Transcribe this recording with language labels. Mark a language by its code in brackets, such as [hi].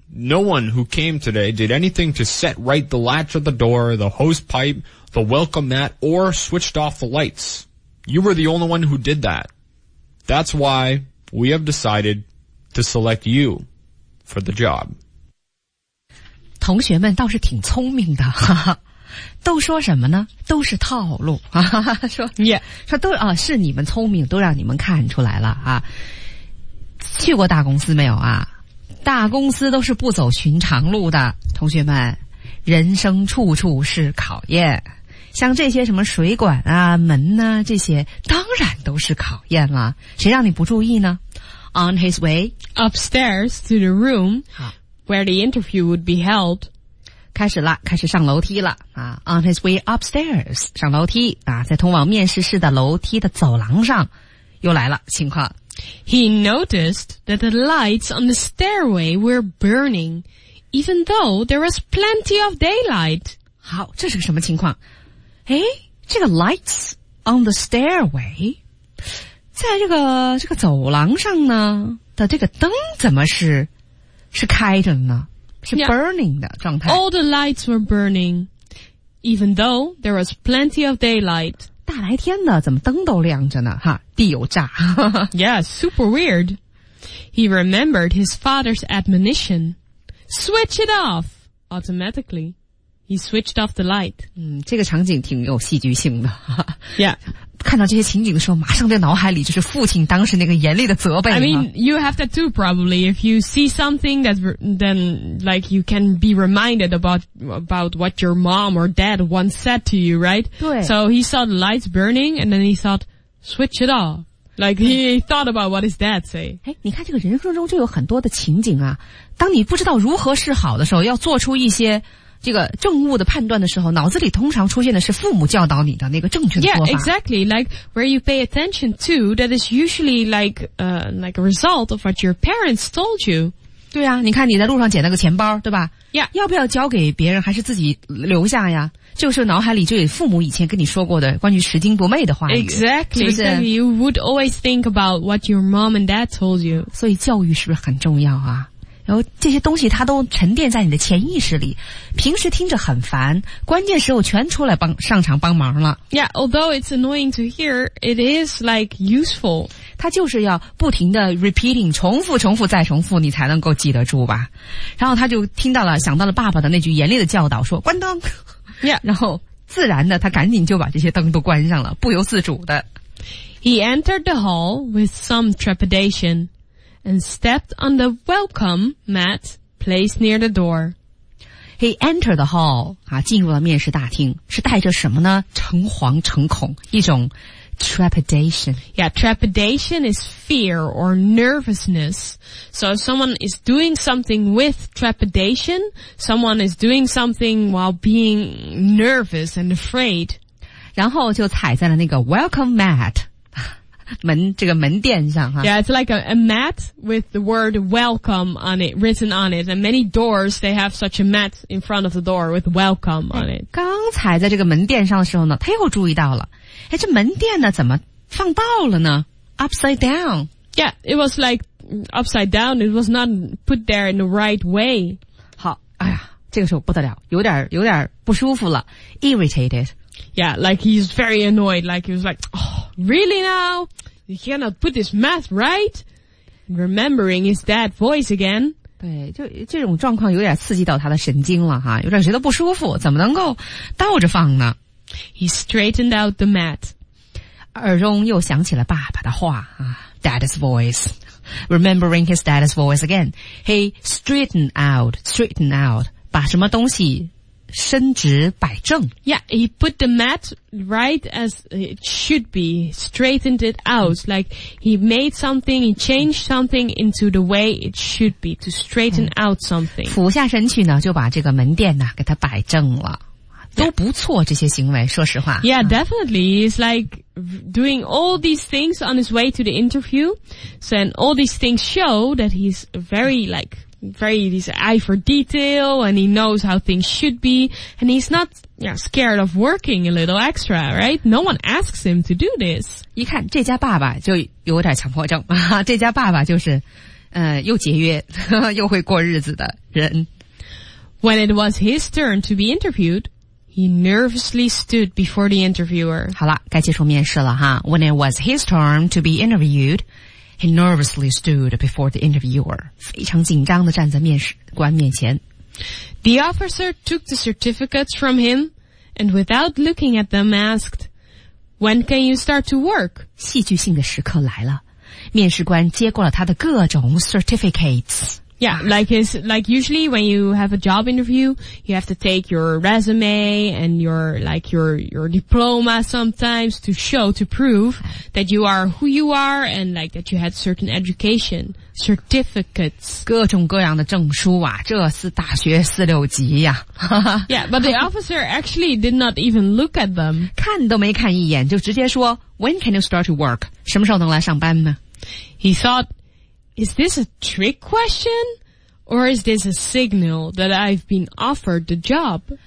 [en] No one who came today did anything to set right the latch of the door, the hose pipe, the welcome mat, or switched off the lights. You were the only one who did that. That's why we have decided to select you for the job. [zh] 同学们倒是挺聪明的，哈哈，都说什么呢？都是套路，哈哈，说你、yeah. 说都啊，是你们聪明，都让你们看出来了啊。去过大公司没有啊？大公司都是不走寻常路的，同学们，人生处处是考验。像这些什么水管啊、门啊，这些当然都是考验了。谁让你不注意呢 [en] ？On his way upstairs to the room where the interview would be held， [zh] 开始了，开始上楼梯了啊。 [en] On his way upstairs， [zh] 上楼梯啊，在通往面试室的楼梯的走廊上，又来了情况。 [en] He noticed that the lights on the stairway were burning, even though there was plenty of daylight. [zh] 好，这是个什么情况？诶，这个 [en] lights on the stairway， [zh] 在这个走廊上呢的这个灯怎么是开着呢？是 burning 的状态。 [en] Yeah, all the lights were burning, even though there was plenty of daylight. [zh] 大白天的怎么灯都亮着呢哈，地有炸。 [en] Yeah, super weird. He remembered his father's admonition. Switch it off. Automatically, he switched off the light. [zh] 嗯，这个场景挺有戏剧性的。 [en] Yeah. [zh] 看到这些情景的时候，马上在脑海里就是父亲当时那个严厉的责备。 [en] I mean, you have that too probably. If you see something that then like you can be reminded about what your mom or dad once said to you, right? [zh] 对。 [en] So he saw the lights burning and then he thought, switch it off. Like he thought about what his dad say. [zh] 诶，你看这个人生中就有很多的情景啊，当你不知道如何是好的时候，要做出一些这个正误的判断的时候，脑子里通常出现的是父母教导你的那个正确的做法。 [en] Yeah, exactly. Like where you pay attention to, that is usually like a result of what your parents told you. [zh] 对啊，你看你在路上捡那个钱包，对吧 [en] ？Yeah. [zh] 要不要交给别人，还是自己留下呀？就是脑海里就有父母以前跟你说过的关于拾金不昧的话语。 [en] Exactly. [zh] 是不是 [en] ？You would always think about what your mom and dad told you. [zh] 所以教育是不是很重要啊？然后这些东西它都沉淀在你的潜意识里，平时听着很烦，关键时候全出来上场帮忙了。 [en] Yeah, although it's annoying to hear, it is like useful. [zh] 它就是要不停的 repeating, 重复重复再重复，你才能够记得住吧。然后他就听到了，想到了爸爸的那句严厉的教导，说关灯。 [en] Yeah. [zh] 然后自然的他赶紧就把这些灯都关上了，不由自主的。 [en] He entered the hall with some trepidation. And stepped on the welcome mat placed near the door. He entered the hall. [zh] 啊，进入了面试大厅，是带着什么呢？诚惶诚恐，一种 trepidation. [en] Yeah, trepidation is fear or nervousness. So if someone is doing something with trepidation, someone is doing something while being nervous and afraid. [zh] 然后就踩在了那个 welcome mat. 门这个门垫上哈 [en] ，Yeah, it's like a mat with the word welcome on it written on it, and many doors they have such a mat in front of the door with welcome on it. [zh] 刚踩在这个门垫上的时候呢，他又注意到了，哎，这门垫呢怎么放倒了呢 ？ [en] Upside down. Yeah, it was like upside down. It was not put there in the right way. [zh] 好，哎呀，这个时候不得了，有点不舒服了 ，irritated. [en] Yeah, like he's very annoyed, like he was like, oh, really now? You cannot put this mat right? Remembering his dad voice again. [zh] 对，就这种状况有点刺激到他的神经了哈，有点觉得不舒服，怎么能够倒着放呢？ [en] He straightened out the mat. [zh] 耳中又响起了爸爸的话啊 , [en] dad's voice. Remembering his dad's voice again. He straightened out, [zh] 把什么东西伸直摆正。 [en] Yeah, he put the mat right as it should be, straightened it out. Like he made something, he changed something into the way it should be to straighten out something. [zh] 俯下身去呢，就把这个门垫呢给他摆正了。都不错，这些行为，说实话。 [en] Yeah, definitely. He's like doing all these things on his way to the interview. So and all these things show that he's very his eye for detail and he knows how things should be and he's not scared of working a little extra, right? No one asks him to do this. [zh] 一看这家爸爸就有点强迫症，这家爸爸就是又节约又会过日子的人。 [en] When it was his turn to be interviewed,He nervously stood before the interviewer. [zh] 好了，该接受面试了哈。 [en] When it was his turn to be interviewed, he nervously stood before the interviewer. [zh] 非常紧张地站在面试官面前。 [en] The officer took the certificates from him and without looking at them asked, When can you start to work? [zh] 戏剧性的时刻来了。面试官接过了他的各种 certificates。 [en] Yeah, like usually when you have a job interview, you have to take your resume and your diploma sometimes to show, to prove that you are who you are and like that you had certain education, certificates. [zh] 各种各样的证书啊，这是大学四六级呀。 [en] Yeah, but the officer actually did not even look at them. [zh] 看都没看一眼就直接说 , [en] When can you start to work? [zh] 什么时候能来上班呢? [en] He thought,Is this a trick question? Or is this a signal that I've been offered the job?